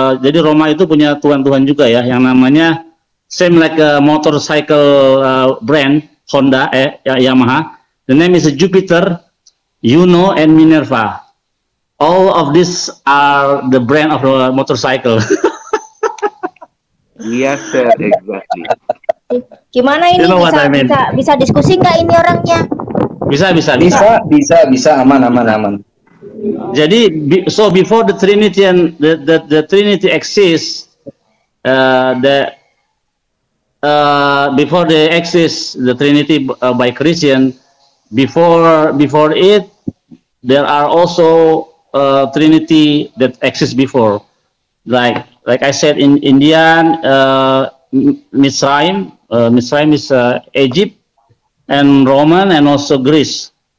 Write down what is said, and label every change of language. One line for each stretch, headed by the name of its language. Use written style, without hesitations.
Indonesian: Jadi Roma itu punya tuhan-tuhan juga ya, yang namanya
English: same like a motorcycle brand. Honda, Yamaha. The name is Jupiter, Juno, and Minerva. All of these are the brand of the motorcycle. Yes, sir, exactly.
Indonesian: Gimana ini,
English: you know,
Indonesian: bisa,
English: I mean,
Indonesian: bisa diskusi nggak ini orangnya? Bisa, aman.
English: Jadi, so before the Trinity and the Trinity exists, before they exist, the Trinity by Christian, before it, there are also Trinity that exists before, like I said, in Indian, Mitzrayim is Egypt, and Roman, and also Greece.